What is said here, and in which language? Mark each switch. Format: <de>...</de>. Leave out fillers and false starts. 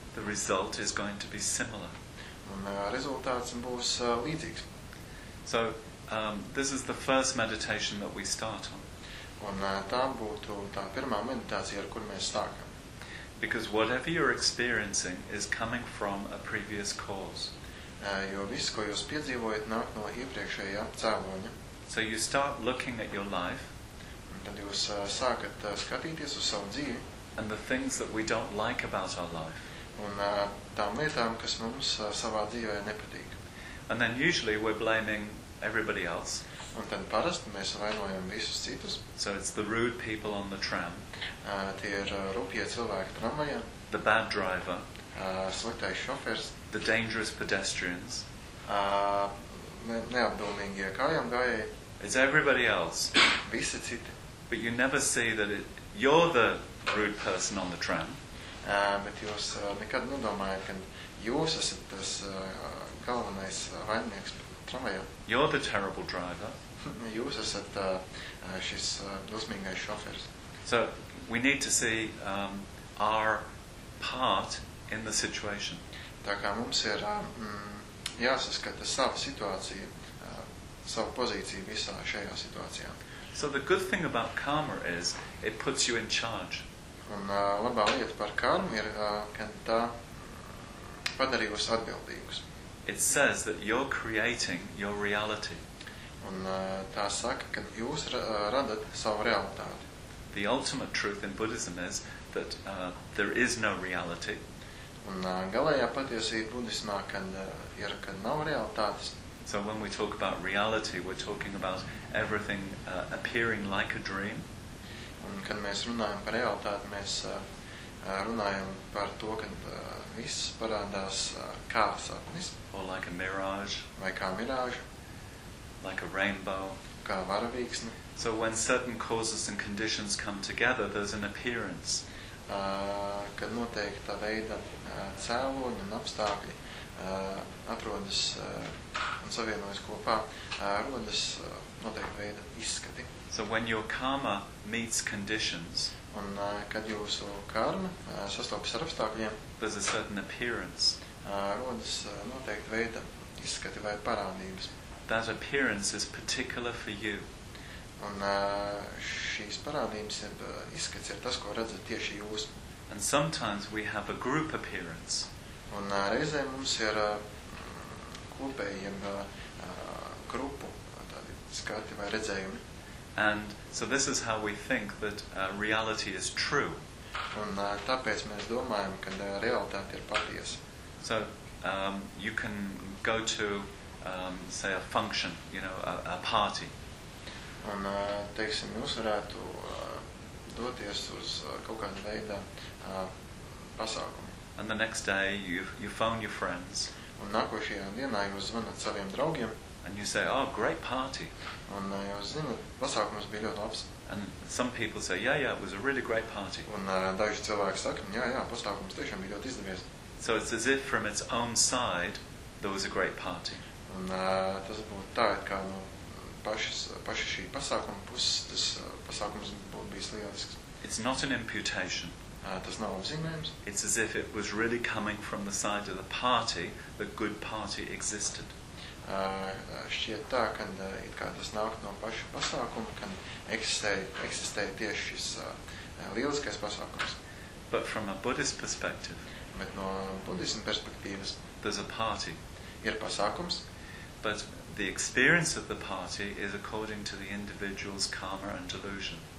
<en>The result is going to be similar.</en> <lv>Un rezultāts būs līdzīgs.</lv> <en>So, this is the first meditation that we start on.</en> <lv>Un tā būtu tā pirmā meditācija, ar kuru mēs sākam.</lv> <en>Because whatever you're experiencing is coming from a previous cause.</en> <lv>Jo viss, ko jūs piedzīvojat, nāk no iepriekšējā cēloņa.</lv> <en>So you start looking at your life.</en> <lv>Un tad jūs sākat skatīties uz savu dzīvi.</lv> <en>And the things that we don't like about our life.</en> <lv>Un tām lietām, kas mums savā dzīvē nepatīk.</lv> <en>And then usually we're blaming everybody else.</en> <lv>Un tad parasti mēs vainojam visus citus.</lv> <en>So it's the rude people on the tram.</en> <lv>Tie ir rupie cilvēki tramvajā.</lv> <en>The bad driver.</en> <lv>Sliktais šofers.</lv> <en>The dangerous pedestrians.</en> <lv>Neapdomīgie kājām gājēji.</lv> <en>It's everybody else.</en> <lv>Visi citi.</lv> <en>But you never see that you're the rude person on the tram.</en> <lv>Bet jūs nekad nedomājat, ka jūs esat tas galvenais vainnieks tramvajā.</lv> <en>You're the terrible driver.</en> <lv>Jūs esat šis dusmīgais šoferis.</lv> <en>So, we need to see our part in the situation.</en> <lv>Tā kā mums ir jāsaskata savu situāciju, savu pozīciju visā šajā situācijā.</lv> <en>So, the good thing about karma is, it puts you in charge.</en> <lv>Un labā lieta par karmu ir, ka tā padarījusi atbildīgus.</lv> <en>It says that you're creating your reality.</en> <lv>Un tā saka, ka jūs radat savu realitāti.</lv> <en>The ultimate truth in Buddhism is that there is no reality.</en> <lv>Un galējā patiesība budismā, ka nav realitātes.</lv> <en>So when we talk about reality, we're talking about everything appearing like a dream.</en> <lv>Un kad mēs runājam par realitāti, mēs runājam par to, ka viss parādās kā sapnis.</lv> <en>Or like a mirage.</en> <lv>Vai kā mirāža.</lv> <en>Like a rainbow.</en> <lv>Kā varavīksne.</lv> <en>So when certain causes and conditions come together, there's an appearance.</en> <lv>Kad noteikta veida cēloņi un apstākļi atrodas un savienojas kopā, rodas noteikta veida izskati.</lv> <en>So when your karma meets conditions,</en> <lv>un kad jūsu karma sastopas ar apstākļiem,</lv> <en>there's a certain appearance.</en> <lv>Rodas noteikta veida izskati vai parādības.</lv> <en>That appearance is particular for you.</en> <lv>Un šīs parādības ir, izskats ir tas, ko redzat tieši jūs.</lv> <en>And sometimes we have a group appearance.</en> <lv>Un reizē mums ir kopējiem grupu tādi skati vai redzējumi.</lv> <en>And so this is how we think that reality is true.</en> <lv>Un tāpēc mēs domājam, ka realitāte ir patiesa.</lv> <en>So you can go to say a function, you know, a party.</en> <lv>Un teiksim, jūs varētu doties uz kaut kādu veidu pasākumu.</lv> <en>And the next day you phone your friends.</en> <lv>Un nākošajā dienā jūs zvanat saviem draugiem.</lv> <en>And you say, oh, great party.</en> <lv>Un jūs zinat, pasākums bija ļoti labs.</lv> <en>And some people say, yeah, it was a really great party.</en> <lv>Un daži cilvēki saka, jā, pasākums tiešām bija ļoti izdevies.</lv> <en>So it's as if from its own side there was a great party.</en> <lv>Un tas būtu tā, kā no paši šī pasākuma puses, tas pasākums būtu bijis lielisks.</lv> <en>It's not an imputation.</en> <lv>Tas nav apzīmējums.</lv> <en>It's as if it was really coming from the side of the party, the good party existed.</en> <lv>Šķiet tā, ka it kā tas nāk no paša pasākuma, ka eksistē tieši šis lieliskais pasākums.</lv> <en>But from a Buddhist perspective,</en> <lv>bet no budisma perspektīvas,</lv> <en>there's a party.</en> <lv>Ir pasākums.</lv> <en>But the experience of the party is according to the individual's karma and delusion.</en>